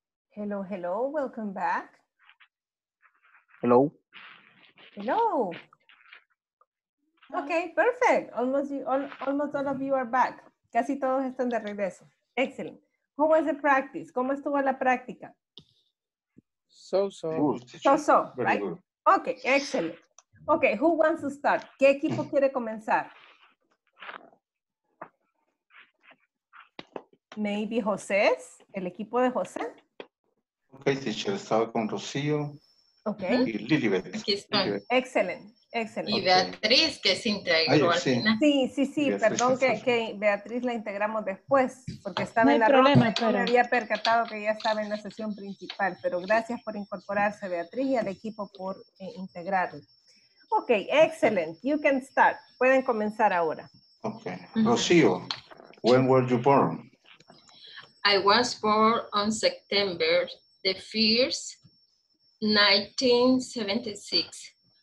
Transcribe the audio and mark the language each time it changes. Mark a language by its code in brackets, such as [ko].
[en] Hello, hello, welcome back. Hello. Hello. Okay, perfect. Almost all of you are back. [es] Casi todos están de regreso. [en] Excellent. How was the practice? [es] ¿Cómo estuvo la práctica? [en] So-so. So-so, right? Okay, excellent. Okay, who wants to start? [es] ¿Qué equipo quiere comenzar? Maybe José, el equipo de José. Ok, teacher, estaba con Rocío y Lilibet. Aquí está. Excelente, excelente. Y Beatriz, que se integró al final. Sí, sí, perdón que Beatriz la integramos después, porque estaba en la ronda. No me había percatado que ya estaba en la sesión principal, pero gracias por incorporarse, Beatriz, y al equipo por integrarlo. Ok, excelente. [en] You can start. [es] Pueden comenzar ahora. [en] Ok. Rocío, when were you born? I was born on September the 1st, 1976.